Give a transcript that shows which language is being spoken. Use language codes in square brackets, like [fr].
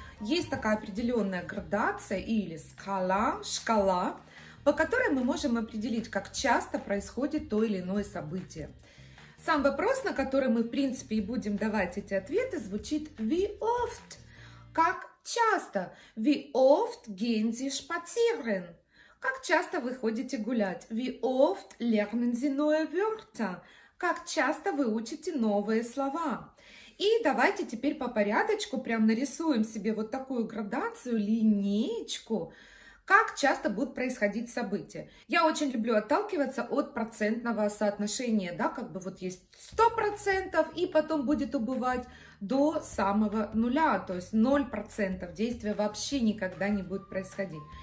[ru] Есть такая определенная градация или шкала, по которой мы можем определить, как часто происходит то или иное событие. Сам вопрос, на который мы, в принципе, и будем давать эти ответы, звучит [de] «Wie oft?» [ru] Как часто? [de] «Wie oft gehen Sie spazieren?» [ru] Как часто вы ходите гулять? [de] «Wie oft lernen Sie neue Wörter?» [ru] Как часто вы учите новые слова? И давайте теперь по порядочку прям нарисуем себе вот такую градацию, линеечку, как часто будут происходить события. Я очень люблю отталкиваться от процентного соотношения, да, как бы вот есть 100% и потом будет убывать до самого нуля, то есть 0% действия вообще никогда не будет происходить.